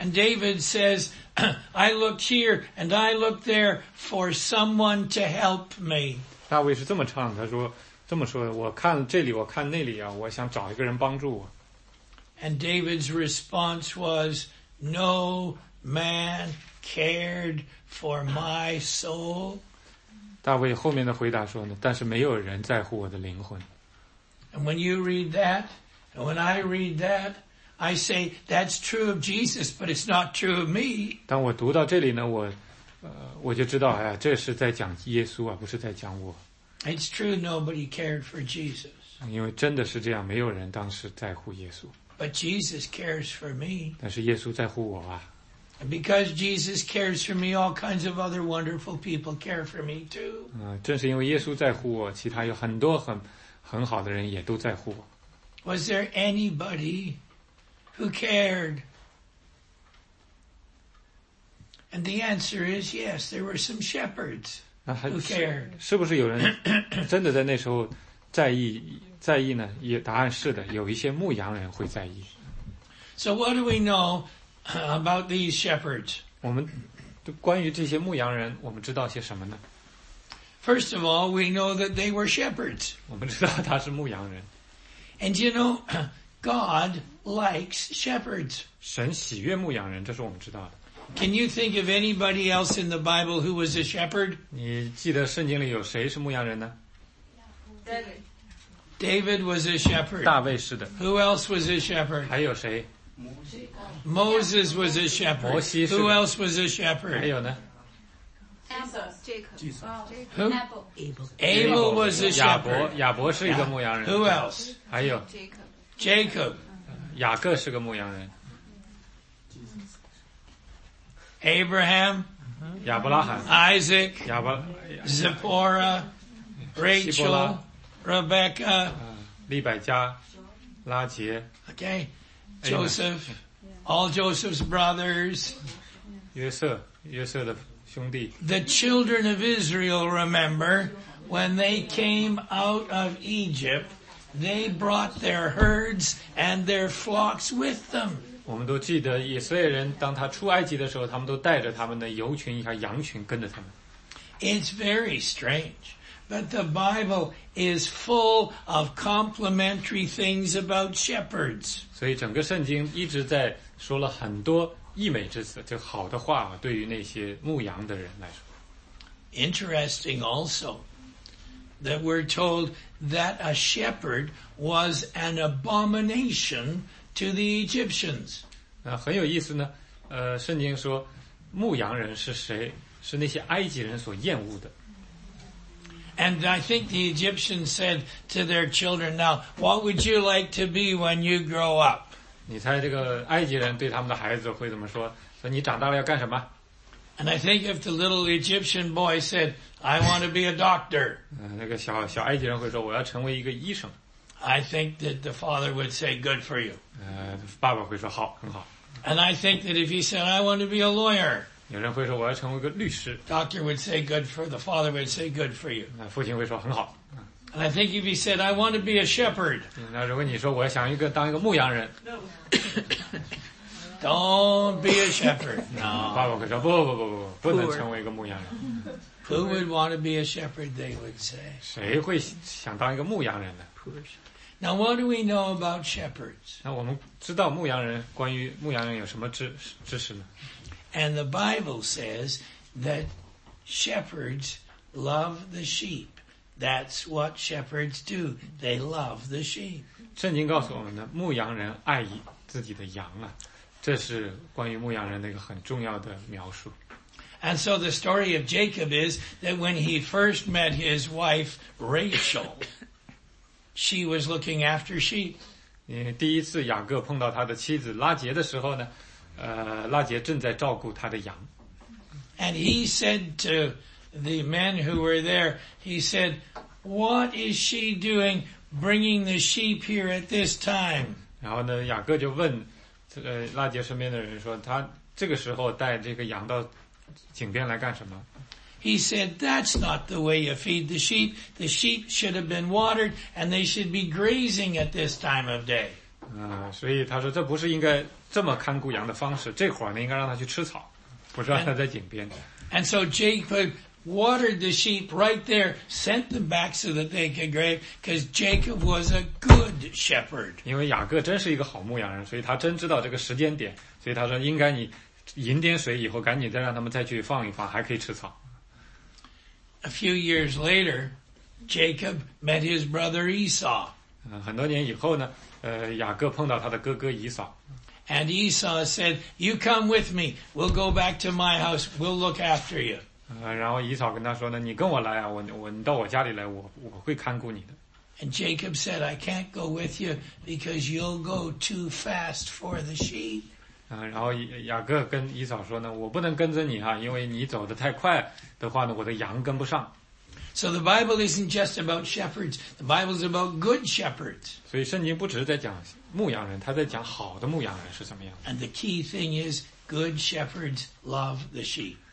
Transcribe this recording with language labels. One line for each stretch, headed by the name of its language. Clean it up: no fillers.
English: And David says, I looked here and I looked there for someone to help me.
Chinese: 大卫是这么唱，他说这么说，我看这里，我看那里啊，我想找一个人帮助我。
English: And David's response was, No man. Cared for my soul.
Chinese: 大卫后面的回答说呢，但是没有人在乎我的灵魂。
English: And when you read that, and when I read that, I say that's true of Jesus, but it's not true of me.
Chinese: 当我读到这里呢，我就知道，哎呀，这是在讲耶稣啊，不是在讲我。
English: It's true, nobody cared for Jesus.
Chinese: 因为真的是这样，没有人当时在乎耶稣。
English: But Jesus cares for me.
Chinese: 但是耶稣在乎我啊。
English: Because Jesus cares for me, all kinds of other wonderful people care for me too.
Chinese: 正是因为耶稣在乎我，其他有很多很好的人也都在乎我。
English: Was there anybody who cared? And the answer is yes, there were some shepherds who cared.
Chinese: 是不是有人真的在那时候在意呢？也答案是的，有一些牧羊人会在意。
English: So what do we know about these shepherds?
Chinese: 我们关于这些牧羊人，我们知道些什么呢？
English: First of all, we know that they were shepherds.
Chinese: 我们知道他是牧羊人。
English: And you know, God likes shepherds.
Chinese: 神喜悦牧羊人，这是我们知道的。
English: Can you think of anybody else in the Bible who was a shepherd?
Chinese: 你记得圣经里有谁是牧羊人呢？
English: David was a shepherd.
Chinese: 大卫是的。
English: Who else was a shepherd?
Chinese: 还有谁？
English: Moses was a shepherd.
Chinese: 摩西是的。
English: Who else was a shepherd?
Chinese: 还有呢？
English: Jacob. Abel was a shepherd.
Chinese: 亚伯是一个牧羊人。
English: Who else?
Chinese: 还有。
English: Jacob.
Chinese: 雅各是个牧羊人。
English: Abraham.
Chinese: 亚伯拉罕。
English: Isaac. Zipporah. Rachel. Rebecca.
Chinese: 利百加。拉杰。
English: Okay. Joseph. All Joseph's brothers.
Chinese: 约瑟的。
English: The children of Israel, remember, when they came out of Egypt, they brought their herds and their flocks with them.
Chinese: 我们都记得以色列人当他出埃及的时候，他们都带着他们的牛群和羊群跟着他们。
English: It's very strange, but the Bible is full of complimentary things about shepherds.
Chinese: 所以整个圣经一直在说了很多溢美之词，就好的话，对于那些牧羊的人来说。
English: Interesting also that we're told that a shepherd was an abomination to the Egyptians.
Chinese: 那很有意思呢。圣经说，牧羊人是谁？是那些埃及人所厌恶的。
English: And I think the Egyptians said to their children, "Now, what would you like to be when you grow up?"
Chinese: 你猜这个埃及人对他们的孩子会怎么说？说你长大了要干什么？
English: And I think if the little Egyptian boy said, "I want to be a doctor."
Chinese: 那个小埃及人会说，我要成为一个医生。
English: I think that the father would say, "Good for you."
Chinese: 爸爸会说好，很好。
English: And I think that if he said, "I want to be a lawyer."
Chinese: 有人会说，我要成为一个律师。
English: Doctor would say, "Good for the father would say, "Good for you."
Chinese: 父亲会说很好。
English: And I think if he said, "I want to be a shepherd."
Chinese: 那如果你说我想一个当一个牧羊人。
English: Don't be a shepherd. No.
Chinese: 爸爸会说不，不能成为一个牧羊人。
English: Who would want to be a shepherd? They would say.
Chinese: 谁会想当一个牧羊人呢
English: ？Now, what do we know about shepherds?
Chinese: 那我们知道牧羊人关于牧羊人有什么知识呢
English: ？And the Bible says that shepherds love the sheep. That's what shepherds do. They love the sheep.
Chinese: 圣经告诉我们的，牧羊人爱自己的羊啊，这是关于牧羊人的一个很重要的描述。
English: And so the story of Jacob is that when he first met his wife Rachel, she was looking after sheep.
Chinese: 第一次雅各碰到他的妻子拉杰的时候呢，拉杰正在照顾他的羊。
English: And he said to the men who were there, he said, "What is she doing bringing the sheep here at this time?"
Chinese: 然后呢，雅各就问，拉杰身边的人说，他这个时候带这个羊到井边来干什么？
English: He said, "That's not the way you feed the sheep. The sheep should have been watered, and they should be grazing at this time of day."
Chinese: 所以他说这不是应该这么看顾羊的方式。这会儿呢，应该让他去吃草，不是让他在井边。
English: And so Jacob. Watered the sheep right there, sent them back so that they could graze, because Jacob was a good shepherd.
Chinese: 因为雅各真是一个好牧羊人，所以他真知道这个时间点，所以他说应该你饮点水以后，赶紧再让他们再去放一放，还可以吃草。
English: A few years later, Jacob met his brother Esau.
Chinese: 很多年以后呢，雅各碰到他的哥哥以扫。
English: And Esau said, "You come with me. We'll go back to my house. We'll look after you."
Chinese: 然后以扫跟他说呢，你跟我来啊，我你到我家里来，我会看顾你的。
English: And Jacob said, "I can't go with you because you'll go too fast for the sheep."
Chinese: 然后雅各跟以扫说呢，我不能跟着你哈，因为你走得太快的话呢，我的羊跟不上。
English: So the Bible isn't just about shepherds. The Bible is about good shepherds.
Chinese: 所以圣经不只是在讲牧羊人，他在讲好的牧羊人是怎么样。
English: And the key thing is Good shepherds love the sheep.